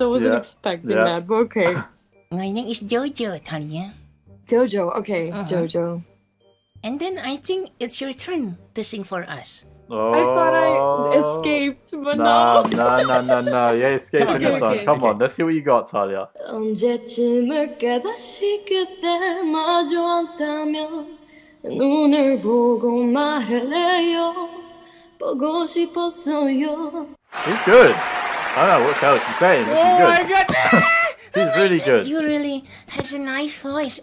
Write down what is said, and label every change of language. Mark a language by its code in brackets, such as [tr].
[en] I wasn't expecting that, but okay. My name is Jojo, Talia. Jojo, okay. Uh-huh. Jojo. And then I think it's your turn to sing for us. Oh. I thought I escaped, but No. You're escaping this one. Come on, let's see what you got, Talia. [ko] 언제쯤에 깨다시 그때 마주 한다면 눈을 보고 말해요 보고 싶었어요. [en] She's good. I don't know what the hell she's saying. Oh, she's good. My God. She's really good. You really has a nice voice.